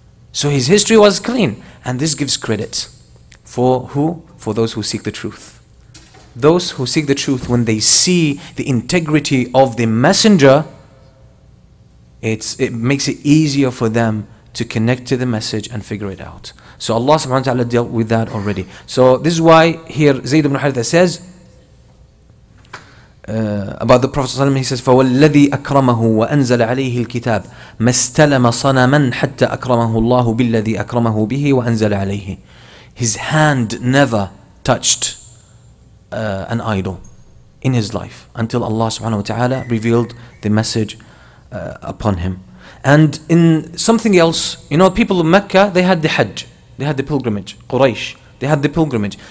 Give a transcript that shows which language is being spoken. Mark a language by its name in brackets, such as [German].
[English] So his history was clean. And this gives credit. For who? For those who seek the truth. Those who seek the truth, when they see the integrity of the messenger, it makes it easier for them to connect to the message and figure it out. So Allah subhanahu wa ta'ala dealt with that already. So this is why here Zayd ibn Haritha says, about the Prophet ﷺ, he says, [Arabic] فَوَالَّذِي أَكْرَمَهُ وَأَنزَلَ عَلَيْهِ الْكِتَابِ مَسْتَلَمَ صَنَمًا حَتَّى أَكْرَمَهُ اللَّهُ بِالَّذِي أَكْرَمَهُ بِهِ وَأَنزَلَ عَلَيْهِ. [English] His hand never touched an idol in his life until Allah subhanahu wa ta'ala revealed the message upon him. And in something else, you know, people of Mecca, they had the Hajj, they had the pilgrimage, Quraysh, they had the pilgrimage.